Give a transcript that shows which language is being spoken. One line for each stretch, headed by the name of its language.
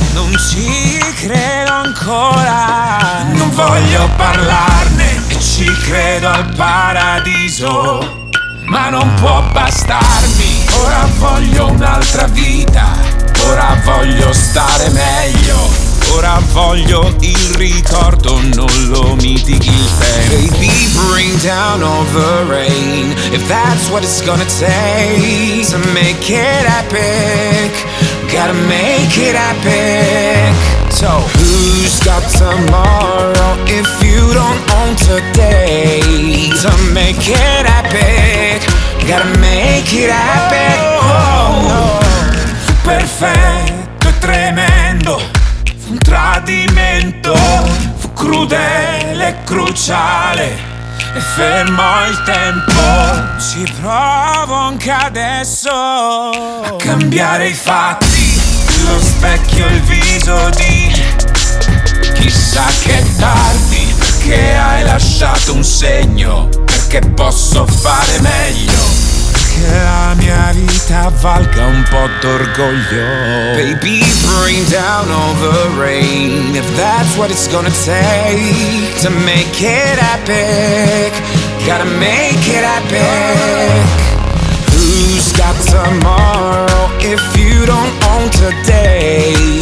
Italian: Non ci credo ancora, non voglio parlarne, e ci credo al paradiso, ma non può bastarmi. Ora voglio un'altra vita, ora voglio stare meglio, ora voglio il ricordo, non lo mitighi il tempo.
English: Baby, bring down all the rain, if that's what it's gonna take to make it epic, gotta make it epic. So who's got tomorrow if you don't own today? To make it epic, gotta make it epic. Oh, oh, no.
Italian: Perfetto, tremendo, fu un tradimento, fu crudele, cruciale, e fermo il tempo. Ci provo anche adesso a cambiare i fatti, lo specchio, il viso di chissà che tardi, perché hai lasciato un segno, perché posso fare meglio, che la mia vita valga un po' d'orgoglio.
English: Baby, bring down all the rain, if that's what it's gonna take to make it epic, gotta make it epic. Who's got tomorrow if you don't own today?